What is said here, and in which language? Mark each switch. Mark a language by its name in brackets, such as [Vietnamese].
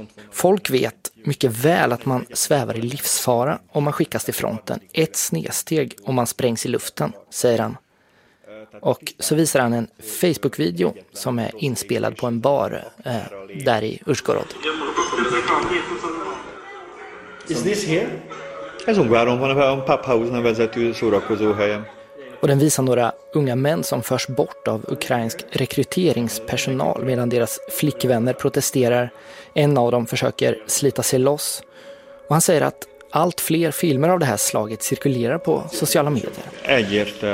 [Swedish] Folk vet mycket väl att man svävar i livsfara om man skickas till fronten. Ett snedsteg om man sprängs i luften, säger han. Och så visar han en Facebook-video som är inspelad på en bar där i Ursgorod. [English] Is this here? [Hungarian] Ez ungváron van, a Papphouse nevezetű szórakozóhelyen. [Swedish] Och den visar några unga män som förs bort av ukrainsk rekryteringspersonal medan deras flickvänner protesterar. En av dem försöker slita sig loss. Och han säger att allt fler filmer av det här slaget cirkulerar på sociala medier.